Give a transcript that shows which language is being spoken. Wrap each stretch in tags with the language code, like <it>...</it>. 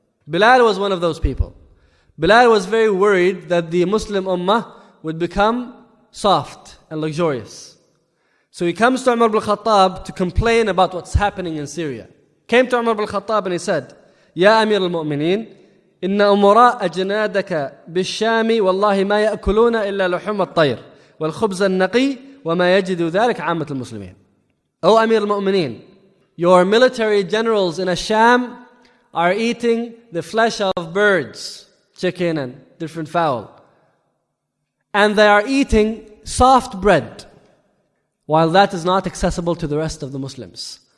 <en>Bilal was one of those people. Bilal was very worried that the Muslim ummah would become soft and luxurious. So he comes to Umar ibn al-Khattab to complain about what's happening in Syria. Came to Umar ibn al-Khattab and he said, Ya Amir al-Mu'mineen,</en> <ar>إن أمراء أجنادك بالشام والله ما يأكلون إلا لحم الطير والخبز النقي وما يجد ذلك عامة المسلمين. أو أمير المؤمنين,</ar> <en>your military generals in Sham are eating the flesh of birds, chicken and different fowl, and they are eating soft bread, while that is not accessible to the rest of the Muslims.</en>